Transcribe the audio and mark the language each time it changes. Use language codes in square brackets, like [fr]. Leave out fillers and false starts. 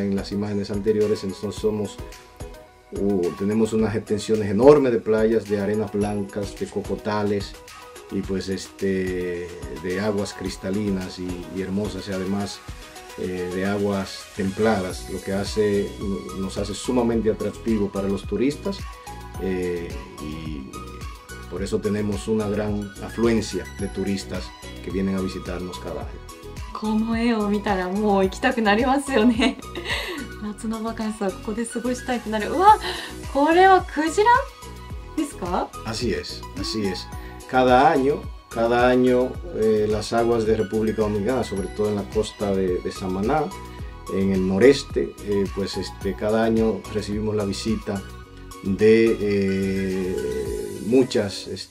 [es] En las imágenes anteriores, entonces tenemos unas extensiones enormes de playas, de arenas blancas, de cocotales y pues de aguas cristalinas y hermosas y además de aguas templadas, lo que nos hace sumamente atractivo para los turistas y por eso tenemos una gran afluencia de turistas que vienen a visitarnos cada año. [ja] この絵を見たらもう行きたくなりますよね。夏のバカンスはここで過ごしたいってなる。うわ、これはクジラですか？ [es] Así es, así es. Cada año, las aguas de República Dominicana, sobre todo en la costa de Samaná, en el noreste, pues cada año recibimos la visita de muchas